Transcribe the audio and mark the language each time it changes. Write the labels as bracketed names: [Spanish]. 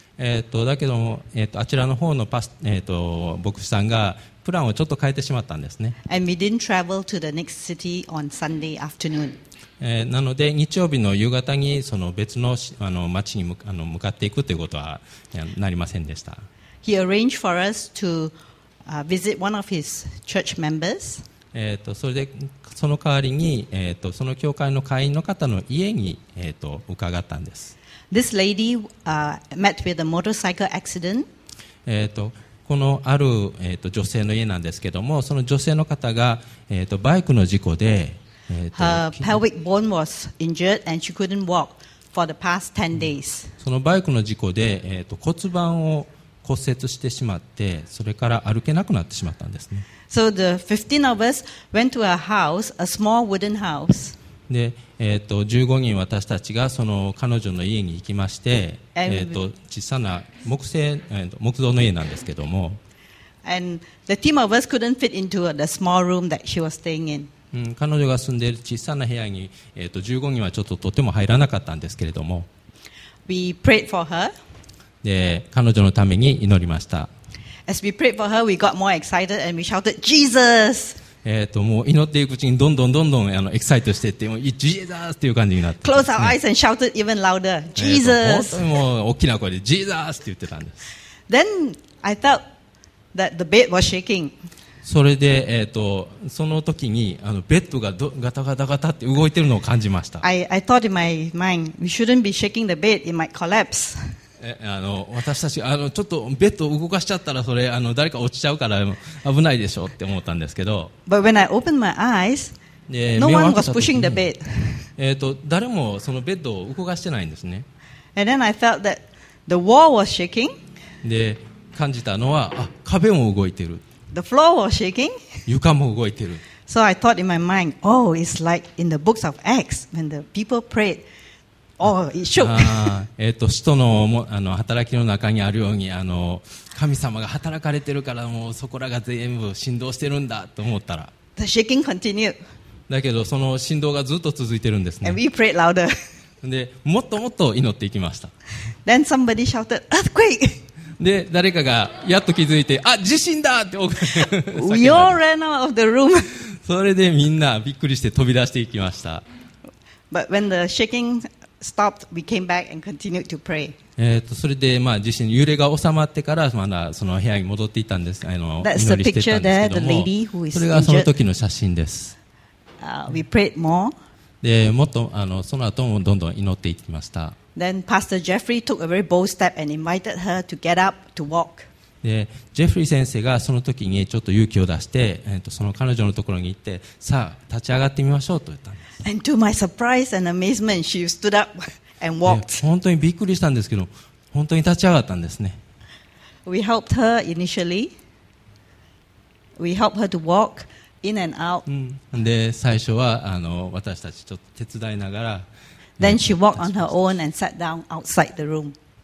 [Japanese] だけども、あちらの方のパス、牧師さんがプランをちょっと変えてしまったんですね。 [English] And we didn't travel to the next city on Sunday afternoon. [Japanese] なので日曜日の夕方にその別 の, あの町に向 か, あの向かっていくということはなりませんでした。 [English] He arranged for us to visit one of his church members. [Japanese] それでその代わりに、その教会の会員の方の家に、伺ったんです。 [English] This lady met with a motorcycle accident. [Japanese] このある、女性の家なんですけども、その女性の方が、バイクの事故で、 [English] Her pelvic bone was injured and she couldn't walk for the past 10 days. [Japanese] そのバイクの事故で、骨盤を骨折してしまって、それから歩けなくなってしまったんですね。 [English] So the 15 of us went to a house, a small wooden house. [Japanese] で、15人私たちがその彼女の家に行きまして、小さな木製、木造の家なんですけども。 [English] And the team of us couldn't fit into the small room that she was staying in. [Japanese] 彼女が住んでいる小さな部屋に、15人はちょっととても入らなかったんですけれども。 [English] We prayed for her. [Japanese] で、彼女のために祈りました。 [English] As we prayed for her, we got more excited and we shouted, Jesus! [Japanese] もう祈っていくうちにどんどんどんどんエキサイトしていって、もう Jesus! っていう感じになって、ね、 [English] Close our eyes and shouted even louder, Jesus! [Japanese] 本当にもう大きな声で Jesus! って言ってたんです。 [English] Then I felt that the bed was shaking. [Japanese] それで、その時にベッドがガタガタガタって動いてるのを感じました。 [English] I thought in my mind, we shouldn't be shaking the bed, it might collapse. [Japanese] 私たちちょっとベッドを動かしちゃったら、それ誰か落ちちゃうから危ないでしょうって思ったんですけど、 [English] But when I opened my eyes, no one was pushing the bed. [Japanese] 誰もそのベッドを動かしてないんですね。 [English] And then I felt that the wall was shaking. [Japanese] で、感じたのは、あ、壁も動いてる。 [English] The floor was shaking. [Japanese] 床も動いてる。 [English] So I thought in my mind, oh, it's like in the books of Acts when the people prayed. [Japanese] 使徒 の, 働きの中にあるように、神様が働かれてるから、もうそこらが全部振動してるんだと思ったら、 [English] The shaking continued. [Japanese] だけどその振動がずっと続いてるんですね。 [English] And we prayed louder. [Japanese] でもっともっと祈っていきました。 [English] Then somebody shouted, Earthquake! [Japanese] で誰かがやっと気づいて、あ、地震だって [English] We all ran out of the room. [Japanese] それでみんなびっくりして飛び出していきました。 [English] But when the shakingStopped, we came back and continued to pray. [Japanese] それで、まあ、地震、揺れが収まってから、まだその部屋に戻っていたんです。 [English] That's the picture there, the lady who is injured. [Japanese] それがその時の写真です。 [English] We prayed more. [Japanese] で、もっと、その後もどんどん祈っていきました。 [English] Then Pastor Jeffrey took a very bold step and invited her to get up to walk. [Japanese] で、ジェフリー先生がその時にちょっと勇気を出して、その彼女のところに行って、さあ、立ち上がってみましょうと言ったんです。 [English] And to my surprise and amazement, she stood up and walked. [Japanese] 本当にびっくりしたんですけど、本当に立ち上がったんですね。 [English] We helped her initially. We helped her to walk in and out. [Japanese] で、最初は私たちちょっと手伝いながら。 [English] Then she walked on her own and sat down outside the room.